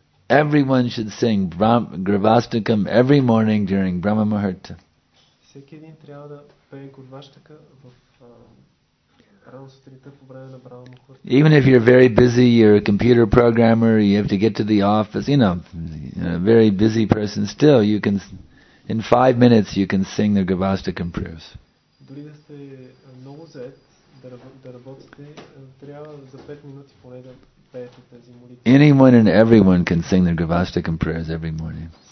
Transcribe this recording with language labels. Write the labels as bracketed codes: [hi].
[en] Everyone should sing Gurvastakam every morning during Brahma Muhurta. [bg] Всеки един трябва да пее Гурваштака в рано сутринта по време на Брахма Мухурта. [en] Even if you're very busy, you're a computer programmer, you have to get to the office, you know, a very busy person, still you can in 5 minutes you can sing the Gurvastakam prayers. [bg] Дори да сте много зает да работите, трябва за 5 минути поне да. [en] Anyone and everyone can sing the Gurvastakam prayers every morning.